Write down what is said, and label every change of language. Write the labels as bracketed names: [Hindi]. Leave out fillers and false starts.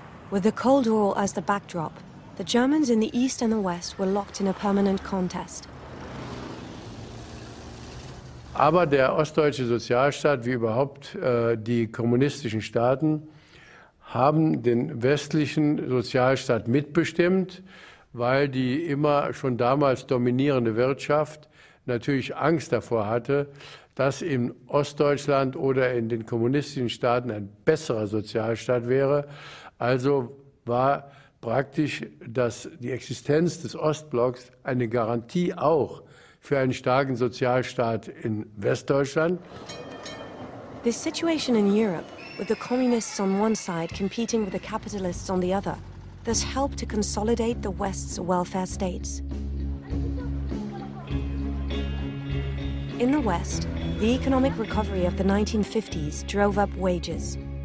[English] With the Cold War as the backdrop, the Germans in the East and the West were locked in a permanent contest. [German] Aber der ostdeutsche Sozialstaat, wie überhaupt die kommunistischen Staaten, haben den westlichen Sozialstaat mitbestimmt, weil die immer schon damals dominierende Wirtschaft natürlich Angst davor hatte, dass in Ostdeutschland oder in den kommunistischen Staaten ein besserer Sozialstaat wäre. Also war praktisch die Existenz des Ostblocks eine Garantie auch für einen starken Sozialstaat in Westdeutschland. [English] This situation in Europe, with the communists on one side competing with the capitalists on the other, this helped to consolidate the West's welfare states. In the West, the economic recovery of the 1950s drove up wages.